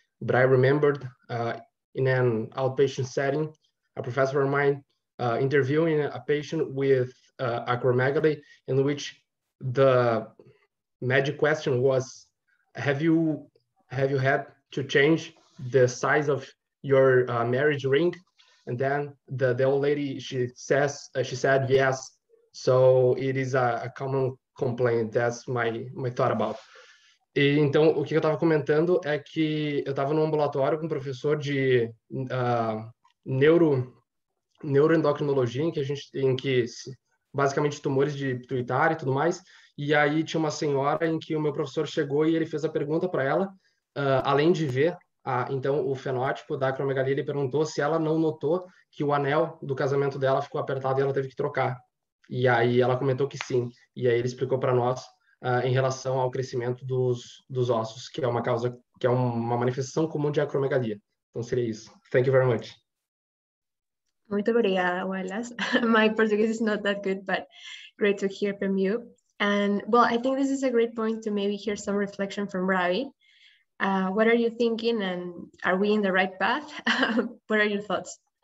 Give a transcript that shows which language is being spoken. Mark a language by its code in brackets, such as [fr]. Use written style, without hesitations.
[en] But I remembered in an outpatient setting, a professor of mine interviewing a patient with acromegaly, in which the magic question was, have you had to change the size of your marriage ring? And then the old lady, she said yes. So it is a common complaint. That's my thought about. [pt] E, então, o que eu estava comentando é que eu estava num ambulatório com um professor de neuroendocrinologia, em que basicamente tumores de pituitária e tudo mais. E aí tinha uma senhora em que o meu professor chegou e ele fez a pergunta para ela, além de ver então o fenótipo da acromegalia, ele perguntou se ela não notou que o anel do casamento dela ficou apertado e ela teve que trocar. E aí ela comentou que sim. E aí ele explicou para nós em relação ao crescimento dos ossos, que é uma causa, que é uma manifestação comum de acromegalia. Então seria isso. [en] Thank you very much. [pt] Muito obrigada, Wallace. [en] My Portuguese is not that good, but great to hear from you. And well, I think this is a great point to maybe hear some reflection from Ravi. What are you thinking, and are we in the right path? What are your thoughts?